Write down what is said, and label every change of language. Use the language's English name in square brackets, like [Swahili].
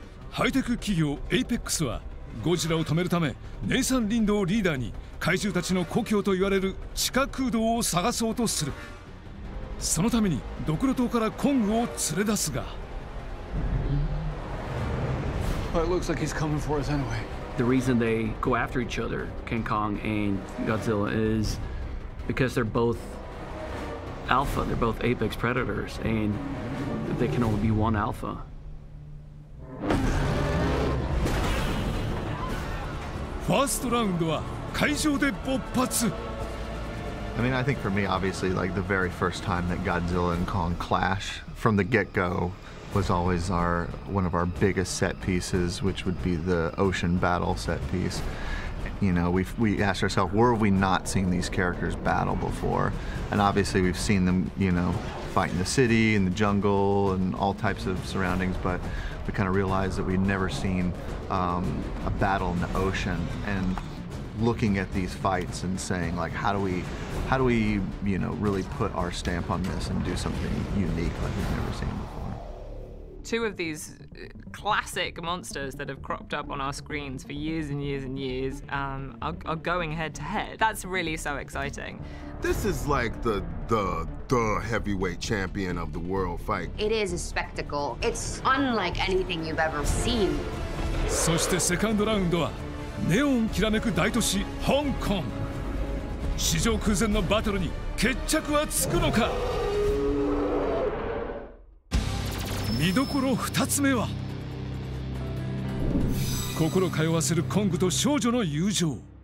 [Japanese] ハイテク企業 APEX はゴジラを止めるためネイサン・リンドをリーダーに怪獣たちの故郷といわれる地下空洞を探そうとする。そのためにドクロ島からコングを連れ出すが、 [English] The reason they go after each other, King Kong and Godzilla, is because they're both alpha, they're both apex predators, and they can only be one alpha. [Japanese] ファーストラウンドは会場で勃発。 [English] I mean, I think for me, obviously, like the very first time that Godzilla and Kong clash from the get-go was always one of our biggest set pieces, which would be the ocean battle set piece. You know, we asked ourselves, where have we not seen these characters battle before? And obviously we've seen them, you know, fight in the city, in the jungle, and all types of surroundings, but we kind of realized that we'd never seen a battle in the ocean. And looking at these fights and saying, like, how do we, you know, really put our stamp on this and do something unique like we've never seen before? Two of these classic monsters that have cropped up on our screens for years and years and years are going head to head. That's really so exciting. This is like the heavyweight champion of the world fight. It is a spectacle. It's unlike anything you've ever seen. [Japanese] そしてセカンドラウンドはネオンきらめく大都市香港。史上空前のバトルに決着はつくのか。見どころ2つ目は、心通わせるコングと少女の友情。